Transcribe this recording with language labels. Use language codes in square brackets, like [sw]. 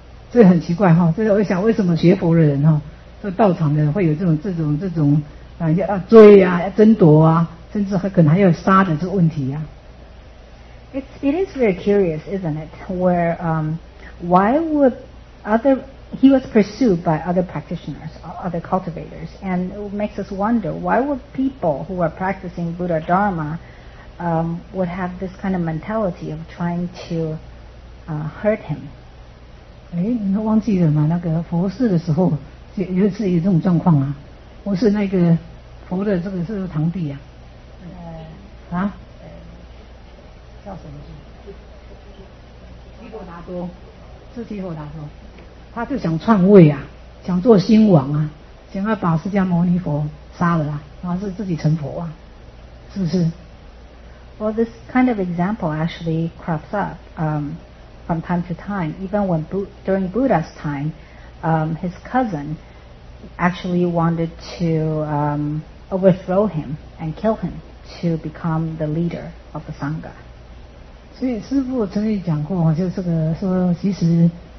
[zh] 这很奇怪哈，这我想为什么学佛的人哈，这道场的人会有这种啊，要追啊，要争夺啊，甚至可能还要杀的这问题啊。 [en] It is very curious, isn't it? Where why would he was pursued by other practitioners, other cultivators, and it makes us wonder why would people who are practicing Buddha Dharma would have this kind of mentality of trying to hurt him. [zh] 哎，你忘记了吗？那个佛事的时候，也是有这种状况啊。我是那个佛的这个是堂弟啊。叫什么字？提婆达多，是提婆达多。他就想篡位啊，想做新王啊，想要把释迦牟尼佛杀了啊，然后是自己成佛啊，是不是 [en] ？Well, this kind of example actually crops up from time to time. Even when during Buddha's time, his cousin actually wanted to overthrow him and kill him to become the leader of the Sangha. [zh] 所以师父曾经讲过，就这个说，其实。